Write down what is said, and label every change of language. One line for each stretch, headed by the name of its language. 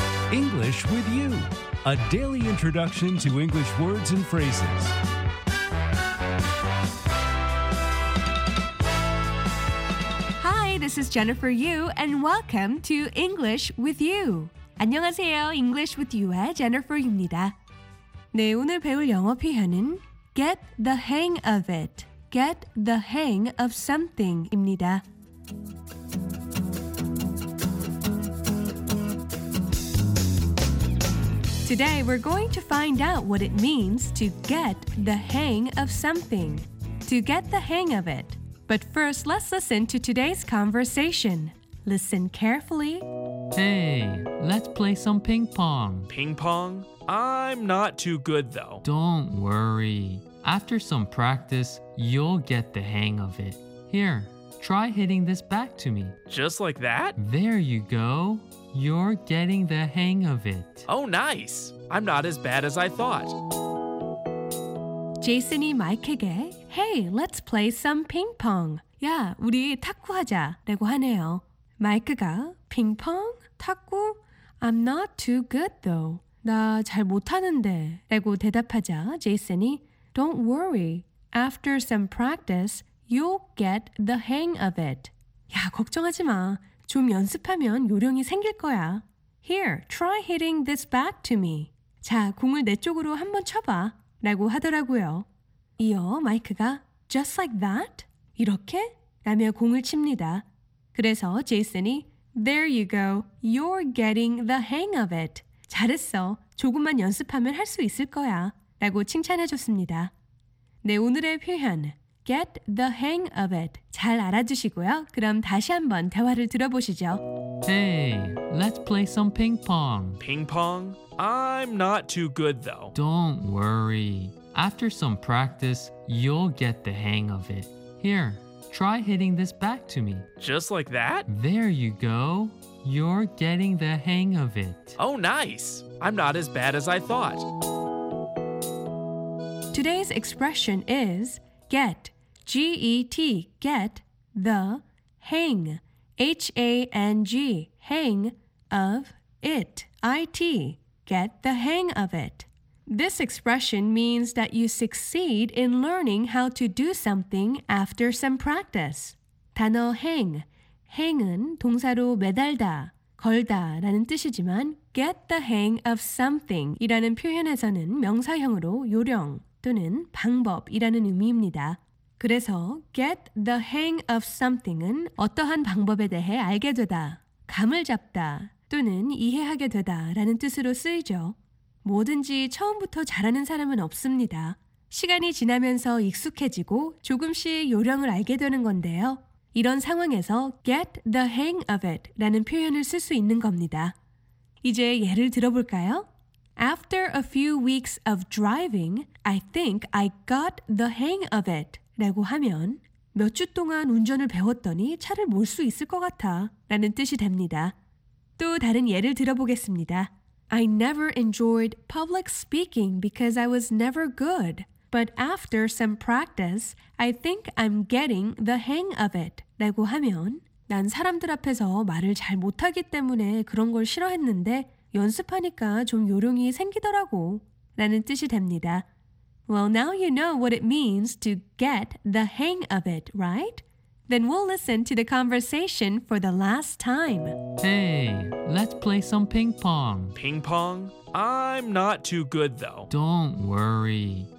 English: English with you, a daily introduction to English words and phrases. This is Jennifer Yu, and welcome to English with You.
Korean: 안녕하세요, English with You의 Jennifer입니다. 네, 오늘 배울 영어 표현은
English: Get the hang of it. Get the hang of something입니다. Today, we're going to find out what it means to get the hang of something. To get the hang of it. But first, let's listen to today's conversation. Listen carefully. Hey, let's play some ping pong. Ping pong? I'm not too good, though. Don't worry. After some practice, you'll get the hang of it. Here, try hitting this back to me. Just like that? There you go. You're getting the hang of it. Oh, nice. I'm not as bad as I thought. Jason이 마이크에게, Hey, let's play some ping pong.
Korean: 야, 우리 탁구 하자. 라고 하네요.
English: 마이크가, ping pong?
Korean: 탁구?
English: I'm not too good though.
Korean: 나 잘 못하는데. 라고 대답하자, Jason이,
English: Don't worry. After some practice, you'll get the hang of it.
Korean: 야, 걱정하지 마. 좀 연습하면 요령이 생길 거야.
English: Here, try hitting this back to me.
Korean: 자, 공을 내 쪽으로 한번 쳐봐. 라고 하더라고요. 이어 마이크가
English: Just like that?
Korean: 이렇게? 라며 공을 칩니다. 그래서 제이슨이
English: There you go. You're getting the hang of it.
Korean: 잘했어. 조금만 연습하면 할 수 있을 거야. 라고 칭찬해줬습니다. 네, 오늘의 표현
English: Get the hang of it.
Korean: 잘 알아두시고요. 그럼 다시 한번 대화를 들어보시죠.
English: Hey, let's play some ping pong. Ping pong? I'm not too good though. Don't worry. After some practice, you'll get the hang of it. Here, try hitting this back to me. Just like that? There you go. You're getting the hang of it. Oh, nice. I'm not as bad as I thought. Today's expression is get, G-E-T, get the hang, H-A-N-G, hang of it, I-T, get the hang of it. This expression means that you succeed in learning how to do something after some practice.
Korean: 단어 hang, hang은 동사로 매달다, 걸다 라는 뜻이지만
English: get the hang of something
Korean: 이라는 표현에서는 명사형으로 요령, 또는 방법이라는 의미입니다. 그래서
English: get the hang of something
Korean: 은 어떠한 방법에 대해 알게 되다, 감을 잡다, 또는 이해하게 되다 라는 뜻으로 쓰이죠. 뭐든지 처음부터 잘하는 사람은 없습니다. 시간이 지나면서 익숙해지고 조금씩 요령을 알게 되는 건데요. 이런 상황에서
English: get the hang of it
Korean: 라는 표현을 쓸 수 있는 겁니다. 이제 예를 들어볼까요?
English: After a few weeks of driving, I think I got the hang of it.
Korean: 라고 하면 몇 주 동안 운전을 배웠더니 차를 몰 수 있을 것 같아 라는 뜻이 됩니다. 또 다른 예를 들어보겠습니다.
English: I never enjoyed public speaking because I was never good. But after some practice, I think I'm getting the hang of it.
Korean: 라고 하면 난 사람들 앞에서 말을 잘 못하기 때문에 그런 걸 싫어했는데 연습하니까 좀 요령이 생기더라고 라는 뜻이 됩니다.
English: Well, now you know what it means to get the hang of it, right? Then we'll listen to the conversation for the last time. Hey, let's play some ping pong. Ping pong? I'm not too good though. Don't worry.